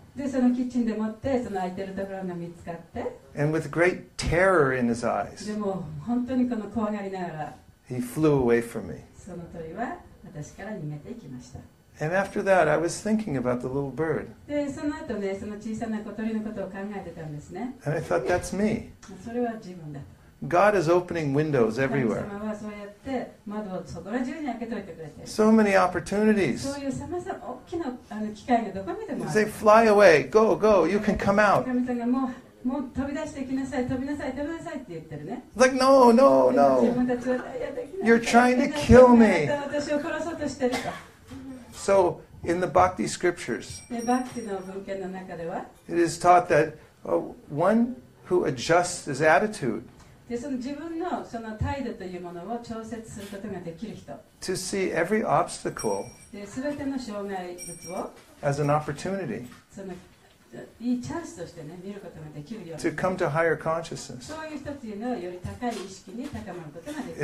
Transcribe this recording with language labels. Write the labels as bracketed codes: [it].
[ja] でそのキッチンでもってその空いてるところが見つかって [en] And with great terror in his eyes, [ja] でも本当にこの怖がりながら [en] he flew away from me. [ja] その鳥は私から逃げていきました [en] And after that, I was thinking about the little bird. [ja] でその後ねその小さな小鳥のことを考えてたんですね [en] And I thought, that's me. [ja] それは自分だ [en] God is opening windows everywhere. [ja] 神様はそうやって窓をそこら中に開けておいてくれて [en] So many opportunities. [ja] そういうさまざま大きなあの機会がどこ見てもある [en] They fly away. Go, go. You can come out. [ja] 神様がもう飛び出していきなさい飛びなさい飛びなさいって言ってるね [en] Like, no, no, no. [ja] 自分たちはいやできない [en] You're trying to kill me. [ja] 私を殺そうとしてるか [en] So, in the Bhakti scriptures, [ja] Bhakti の文献の中では [en] it is taught that one who adjusts his attitude, [ja] でその自分のその態度というものを調節することができる人。 [en] To see every obstacle [ja] で全ての障害物を [en] as an opportunity [ja] そのいいチャンスとして、ね、見ることができるように [en] to come to higher consciousness [ja] そういう人というのをより高い意識に高まることができる